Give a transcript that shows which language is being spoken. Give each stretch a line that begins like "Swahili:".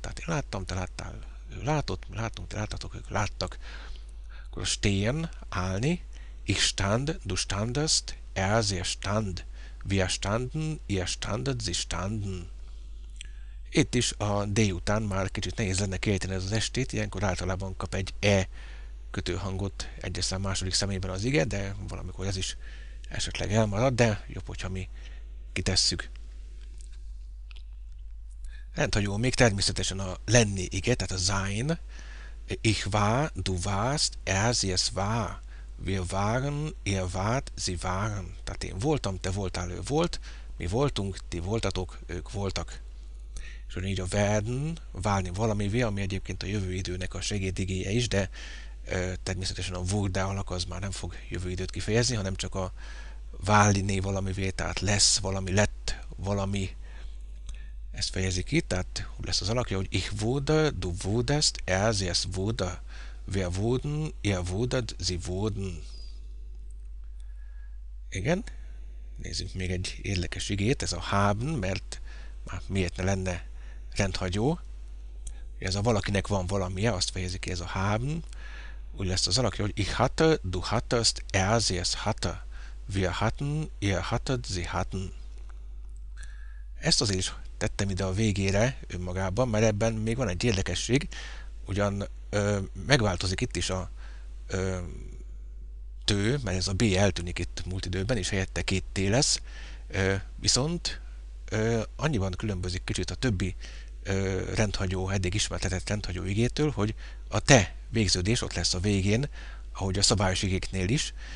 Hungarian: Tehát én láttam, te láttál. Ő látott, mi láttunk, ti láttatok, ők láttak. Akkor stehen, állni.
German: Ich stand, du standest, er sie stand. Wir standen, ihr standet, sie standen.
Hungarian: Itt is a D után már kicsit nehéz lenne kiejteni ez az estét, ilyenkor általában kap egy E kötőhangot egyes szám második személyben az ige, de valamikor ez is esetleg elmarad, de jobb, hogyha mi kitesszük. Rendhagyó még természetesen a lenni ige, tehát a sein.
German: Ich war, du warst, er, sie, es war. Wir waren, ihr wart, sie waren.
Hungarian: Tehát én voltam, te voltál, ő volt. Mi voltunk, ti voltatok, ők voltak. És ugyanígy a werden, válni valamivé, ami egyébként a jövő időnek a segédigéje is, de természetesen a wurde alak az már nem fog jövő időt kifejezni, hanem csak a válni valamivé, tehát lesz valami, lett valami. Ezt fejezi ki, tehát lesz az alakja, hogy
German: ich wurde, du wurdest, er, sie, es wurde, wir wurden, ihr wurdet, sie wurden.
Hungarian: Igen, nézzük még egy érdekes igét, ez a haben, mert már miért ne lenne rendhagyó. Ez a valakinek van valamije, azt fejezi ki ez a haben. Úgy lesz az alakja, hogy
German: ich hatte, du hattest, er, sie, es hatte, wir hatten, ihr hattet, sie hatten.
Hungarian: Ezt azért is tettem ide a végére önmagában, mert ebben még van egy érdekesség, ugyan megváltozik itt is a tő, mert ez a B eltűnik itt múlt időben, és helyette két T lesz, viszont annyiban különbözik kicsit a többi rendhagyó, eddig ismertetett rendhagyó igétől, hogy a te végződés ott lesz a végén, ahogy a szabályos igéknél is.